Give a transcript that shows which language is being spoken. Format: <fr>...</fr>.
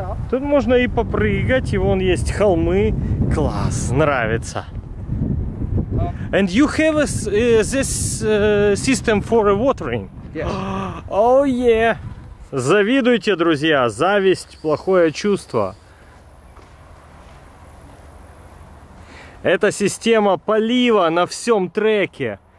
<ru>Тут можно и попрыгать, и вон есть холмы. Класс, нравится.</ru> <en>And you have this system for watering? Yeah. Oh yeah.</en> <ru>Завидуйте, друзья. Зависть — плохое чувство. Это система полива на всем треке.</ru>